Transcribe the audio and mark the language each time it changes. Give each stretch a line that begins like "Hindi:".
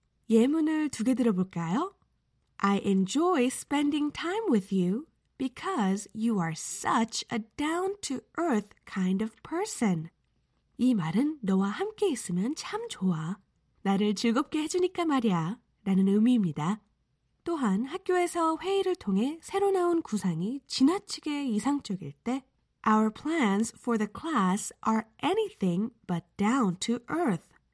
Korean: 예문을 두 개 들어볼까요?
English: I enjoy spending time with you. Because you are such a down-to-earth kind of person.
Korean: 이 말은 너와 함께 있으면 참 좋아. 나를 즐겁게 해주니까 말이야. 라는 의미입니다. 또한 학교에서 회의를 통해 새로 나온 구상이 지나치게 이상적일 때
English: Our plans for the class are anything but down-to-earth.